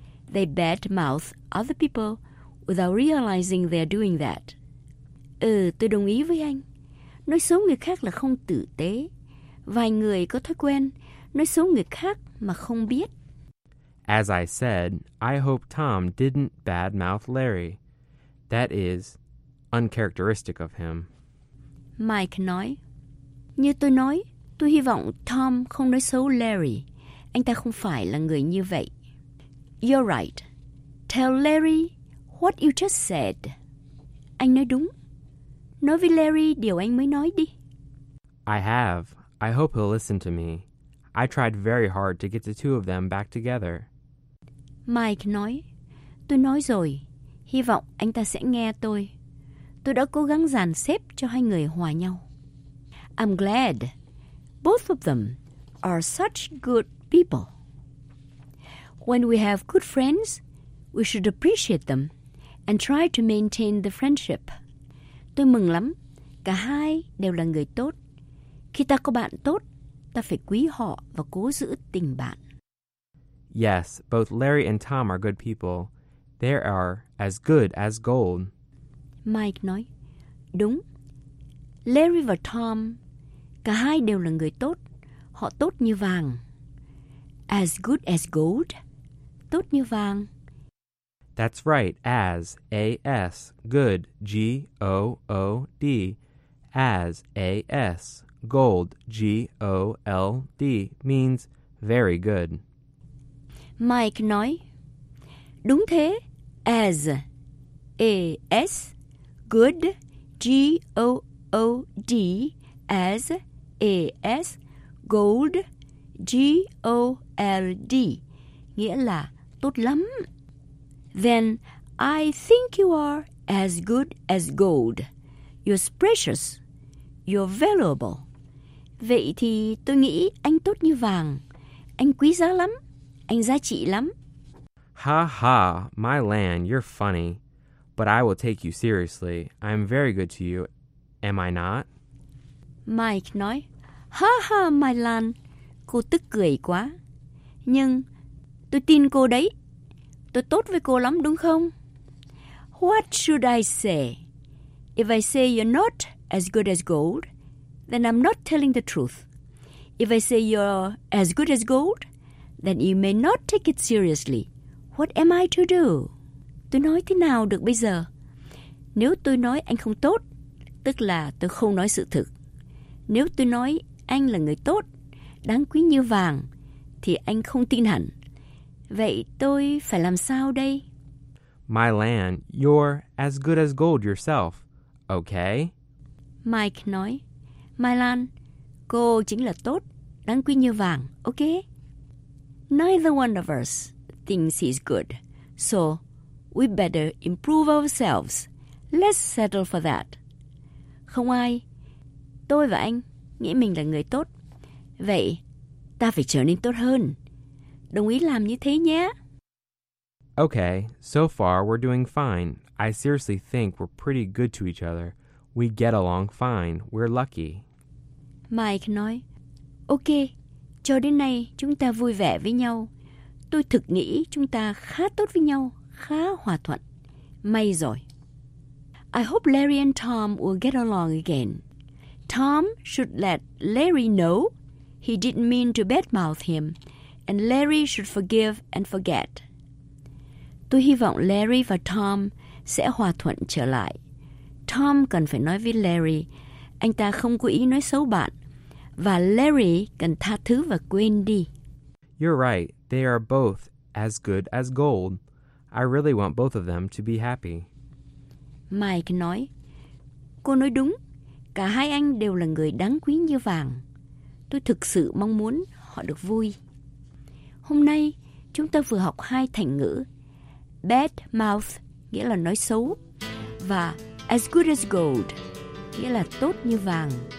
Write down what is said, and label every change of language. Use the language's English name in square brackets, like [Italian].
[English] They badmouth other people without realizing they're doing that. [Vietnamese] Tôi đồng ý với anh. Nói xấu người khác là không tử tế. Vài người có thói quen nói xấu người khác mà không biết. [English] As I said, I hope Tom didn't badmouth Larry. That is uncharacteristic of him. [Vietnamese] Mike nói, Như tôi nói, tôi hy vọng Tom không nói xấu Larry. Anh ta không phải là người như vậy. [English] You're right. Tell Larry what you just said. [Vietnamese] Anh nói đúng. Nói với Larry điều anh mới nói đi. [English] I have. I hope he'll listen to me. I tried very hard to get the two of them back together. [Vietnamese] Mike nói, tôi nói rồi, hy vọng anh ta sẽ nghe tôi. Tôi đã cố gắng dàn xếp cho hai người hòa nhau. [English] I'm glad. Both of them are such good people. When we have good friends, we should appreciate them and try to maintain the friendship. [Vietnamese] Tôi mừng lắm, cả hai đều là người tốt. Khi ta có bạn tốt, ta phải quý họ và cố giữ tình bạn. [English] Yes, both Larry and Tom are good people. They are as good as gold. [Vietnamese] Mike nói, đúng. Larry và Tom, cả hai đều là người tốt. Họ tốt như vàng. [English] As good as gold. [Vietnamese] Tốt như vàng. [English] That's right, as, A-S, good, G-O-O-D, as, A-S, gold, G-O-L-D, means very good. [Vietnamese] Mike nói, đúng thế, [English] as, A-S, good, G-O-O-D, as, A-S, gold, G-O-L-D, [Vietnamese] nghĩa là tốt lắm. [English] Then, I think you are as good as gold. You're precious. You're valuable. [Vietnamese] Vậy thì tôi nghĩ anh tốt như vàng. Anh quý giá lắm. Anh giá trị lắm. [English] Ha ha, my land, you're funny. but I will take you seriously. I am very good to you, am I not? [Vietnamese] Mike nói, ha ha, My Lan, cô tức cười quá. Nhưng tôi tin cô đấy, tôi tốt với cô lắm đúng không? [English] What should I say? If I say you're not as good as gold, then I'm not telling the truth. If I say you're as good as gold, then you may not take it seriously. What am I to do? [Vietnamese] Tôi nói thế nào được bây giờ? Nếu tôi nói anh không tốt, tức là tôi không nói sự thực. Nếu tôi nói anh là người tốt, đáng quý như vàng, thì anh không tin hẳn. Vậy tôi phải làm sao đây? [English] My Lan, you're as good as gold yourself, okay? [Vietnamese] Mike nói, My Lan, cô chính là tốt, đáng quý như vàng, okay? [English] Neither one of us thinks he's good, so we better improve ourselves. Let's settle for that. [Vietnamese] Không ai, tôi và anh, nghĩ mình là người tốt. Vậy, ta phải trở nên tốt hơn. Đồng ý làm như thế nhé. [English] Okay, so far we're doing fine. I seriously think we're pretty good to each other. We get along fine. We're lucky. [Vietnamese] Mike nói, okay, cho đến nay chúng ta vui vẻ với nhau. Tôi thực nghĩ chúng ta khá tốt với nhau, khá hòa thuận. May rồi. [English] I hope Larry and Tom will get along again. Tom should let Larry know he didn't mean to badmouth him, and Larry should forgive and forget. [Vietnamese] Tôi hy vọng Larry và Tom sẽ hòa thuận trở lại. Tom cần phải nói với Larry, anh ta không cố ý nói xấu bạn, và Larry cần tha thứ và quên đi. [English] You're right, they are both as good as gold. I really want both of them to be happy. [Vietnamese] Mike nói, cô nói đúng, cả hai anh đều là người đáng quý như vàng. Tôi thực sự mong muốn họ được vui. Hôm nay, chúng ta vừa học hai thành ngữ. Bad mouth, nghĩa là nói xấu, và [English] as good as gold, [Vietnamese] nghĩa là tốt như vàng.